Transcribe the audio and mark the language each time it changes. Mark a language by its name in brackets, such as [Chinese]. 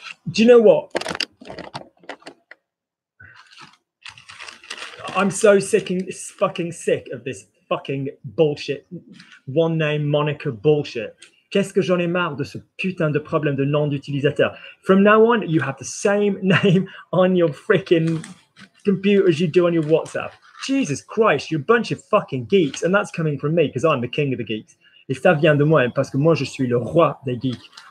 [English] Do you know what? I'm so fucking sick of this fucking bullshit. One name, moniker bullshit. [French] Qu'est-ce que j'en ai marre de ce putain de problème de nom d'utilisateur? [English] From now on, you have the same name on your freaking computers you do on your WhatsApp. Jesus Christ, you're a bunch of fucking geeks, and that's coming from me because I'm the king of the geeks. [French] Et ça vient de moi parce que moi je suis le roi des geeks.